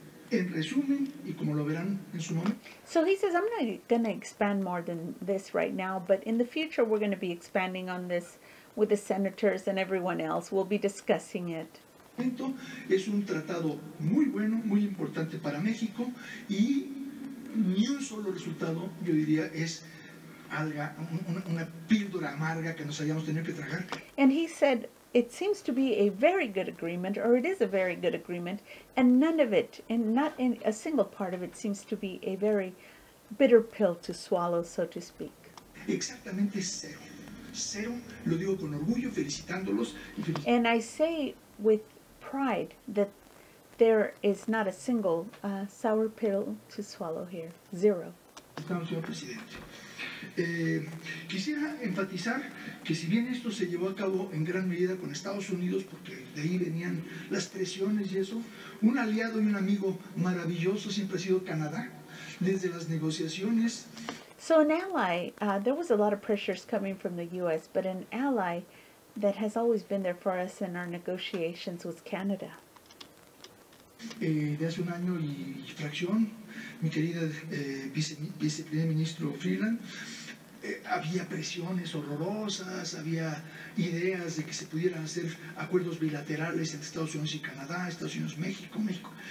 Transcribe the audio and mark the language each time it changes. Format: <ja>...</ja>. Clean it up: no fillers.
<es>En resumen, y como lo verán en su momento.</es> <en>So he says, I'm not going to expand more than this right now, but in the future we're going to be expanding on this with the senators and everyone else. We'll be discussing it.</en> <es>Es un tratado muy bueno, muy importante para México y ni un solo resultado, yo diría, es alga, una píldora amarga que nos hayamos tenido que tragar.</es> <en>And he said, it seems to be a very good agreement, or it is a very good agreement, and none of it, and not in a single part of it, seems to be a very bitter pill to swallow, so to speak.</en> <es>Exactamente cero. Cero, lo digo con orgullo, felicitándolos.</es> <en>And I say with pride that there is not a single sour pill to swallow here. Zero.</en> <es>Estamos, señor presidente. Quisiera enfatizar que si bien esto se llevó a cabo en gran medida con Estados Unidos, porque de ahí venían las presiones y eso, un aliado y un amigo maravilloso siempre ha sido Canadá, desde las negociaciones.</es> <en>So an ally, there was a lot of pressures coming from the U.S., but an ally that has always been there for us in our negotiations was Canada.</en> <es>De hace un año y fracción, mi querida viceprimer ministro Freeland, había presiones horrorosas, había ideas de que se pudieran hacer acuerdos bilaterales entre Estados Unidos y Canadá, Estados Unidos, México, México.</es>